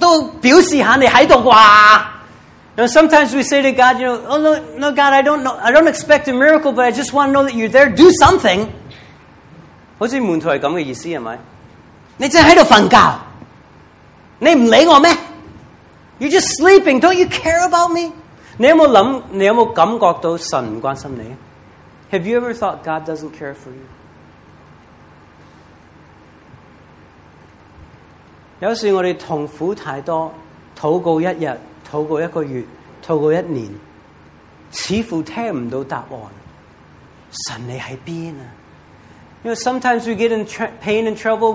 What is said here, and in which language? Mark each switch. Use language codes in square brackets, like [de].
[zh] 有時我們遇到那些問題，無論疾病什麼都好，我們覺得神，你起碼做點事啦，你不是說神跡，都表示一下你在吧。 [en] And sometimes we say to God, you know, oh, no, God, I don't expect a miracle, but I just want to know that you're there. Do something. [zh] 好像門徒是這樣的意思，是吧？你只是在睡覺，你不理我嗎？ [en] You're just sleeping, don't you care about me? [zh] 你有沒有感覺到神不關心你？ [en] Have you ever thought God doesn't care for you? [zh] 有時我們痛苦太多，禱告一天，禱告一個月，禱告一年，似乎聽不到答案，神你在哪裡？ [en] You know, sometimes we get in pain and trouble.